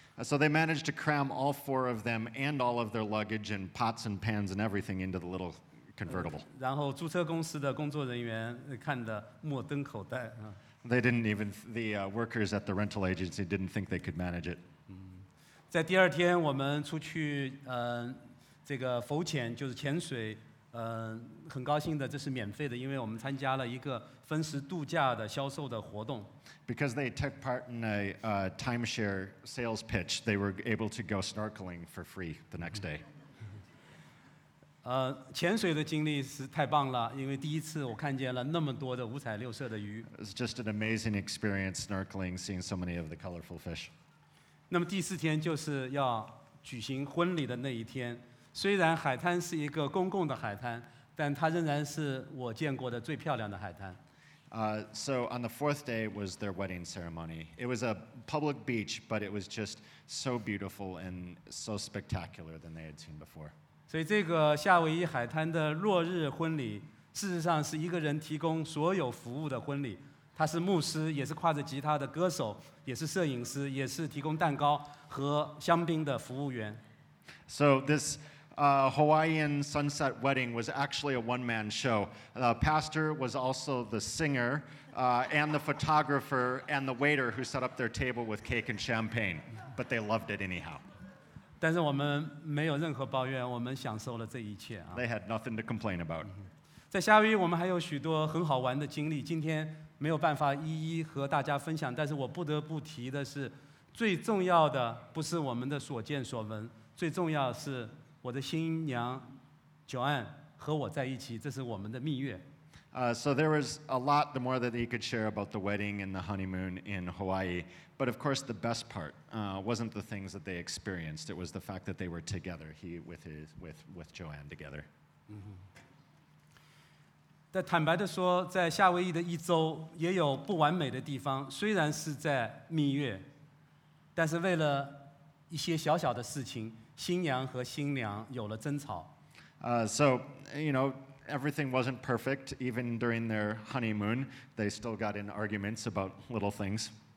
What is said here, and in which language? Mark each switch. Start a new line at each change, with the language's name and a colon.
English: So they managed to cram all four of them and all of their luggage and pots and pans and everything into the little... convertible.
Chinese: 然后租车公司的工作人员看得目瞪口呆。
English: They didn't even, the workers at the rental agency didn't think they could manage it.
Chinese: 在第二天我们出去这个浮潜就是潜水很高兴的这是免费的因为我们参加了一个分时度假的销售的活动。
English: Because they took part in a timeshare sales pitch, they were able to go snorkeling for free the next day.
Chinese: 潜水的经历是太棒了，因为第一次我看见了那么多的五彩六色的鱼。
English: It's just an amazing experience snorkeling, seeing so many of the colorful fish.
Chinese: 那么第四天就是要举行婚礼的那一天。虽然海滩是一个公共的海滩，但它仍然是我见过的最漂亮的海滩。
English: So on the fourth day was their wedding ceremony. It was a public beach, but it was just so beautiful and so spectacular than they had seen before.
Chinese: 所以这个夏威夷海滩的落日婚礼事实上是一个人提供所有服务的婚礼他是牧师也是挎着吉他的歌手也是摄影师也是提供蛋糕和香槟的服务员
English: So this Hawaiian sunset wedding was actually a one-man show The pastor was also the singer and the photographer and the waiter who set up their table with cake and champagne but they loved it anyhow
Chinese: 但是我们没有任何抱怨，我们享受了这一切啊。
English: They had nothing to complain about.
Chinese: 在夏威夷，我们还有许多很好玩的经历，今天没有办法一一和大家分享。但是我不得不提的是，最重要的不是我们的所见所闻，最重要是我的新娘 Joanne 和我在一起，这是我们的蜜月。
English: So there was a lot the more that he could share about the wedding and the honeymoon in Hawaii. But of course, the best part wasn't the things that they experienced. It was the fact that they were together, with Joanne together. Mm-hmm.
Chinese: 但是为了一些小小的事情,新娘和新娘有了争吵。
English: So, you know, everything wasn't perfect. Even during their honeymoon, they still got in arguments about little things.